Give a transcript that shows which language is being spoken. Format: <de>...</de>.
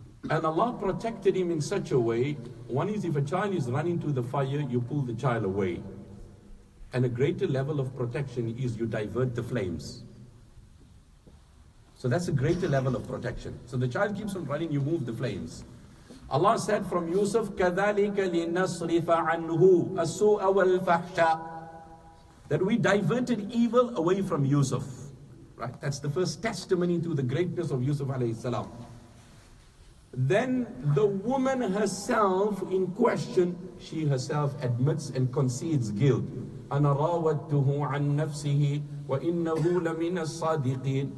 <en>And Allah protected him in such a way. One is, if a child is running to the fire, you pull the child away. And a greater level of protection is you divert the flames. So that's a greater level of protection. So the child keeps on running, you move the flames. Allah said from Yusuf,</en> <ar>كَذَلِكَ لِنَصْرِفَ عَنْهُ السُّوءَ وَالْفَحْشَاءَ.</ar> <en>That we diverted evil away from Yusuf. Right? That's the first testimony to the greatness of Yusuf alayhi salam. Then the woman herself in question, she herself admits and concedes guilt.</en> <ar>أَنَا رَاوَدْتُهُ عَن نَفْسِهِ وَإِنَّهُ لَمِنَ الصَّادِقِينَ.</ar>